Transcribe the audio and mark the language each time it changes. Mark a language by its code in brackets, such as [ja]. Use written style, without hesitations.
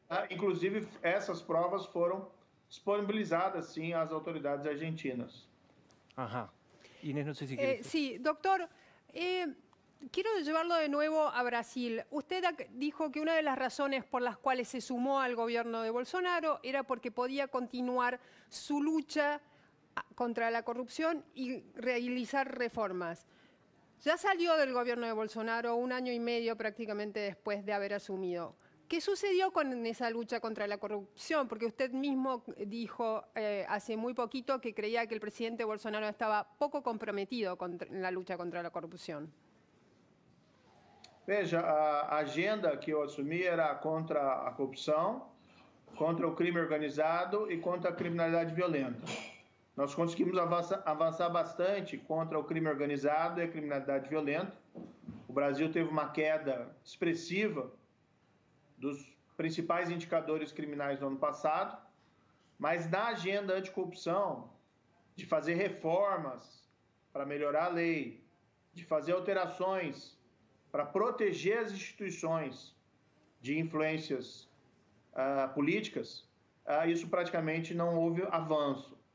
[pt] Inclusive, essas provas foram disponibilizadas, sim, às autoridades argentinas. Aham. Uhum. Inês, não sei se quer dizer. Sim, doutor... [es] Quiero llevarlo de nuevo a Brasil. Usted dijo que una de las razones por las cuales se sumó al gobierno de Bolsonaro era porque podía continuar su lucha contra la corrupción y realizar reformas. Ya salió del gobierno de Bolsonaro un año y medio prácticamente después de haber asumido. ¿Qué sucedió con esa lucha contra la corrupción? Porque usted mismo dijo hace muy poquito que creía que el presidente Bolsonaro estaba poco comprometido con la lucha contra la corrupción. [pt] Veja, a agenda que eu assumi era contra a corrupção, contra o crime organizado e contra a criminalidade violenta. Nós conseguimos avançar bastante contra o crime organizado e a criminalidade violenta. O Brasil teve uma queda expressiva dos principais indicadores criminais do ano passado, mas na agenda anticorrupção, de fazer reformas para melhorar a lei, de fazer alterações para proteger as instituições de influências políticas, isso praticamente não houve avanço.